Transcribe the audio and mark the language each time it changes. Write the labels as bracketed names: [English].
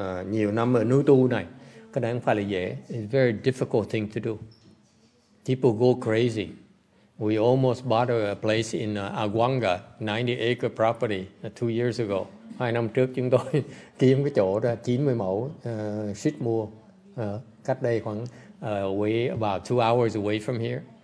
[Vietnamese] Nhiều năm ở núi tu này, cái này không phải là dễ. [English] It's a very difficult thing to do. People go crazy. We almost bought a place in Aguanga, 90-acre property, 2 years ago. [Vietnamese] 2 năm trước chúng tôi kiếm cái chỗ đó 90 mẫu, suýt mua, cách đây khoảng [English] about 2 hours away from here.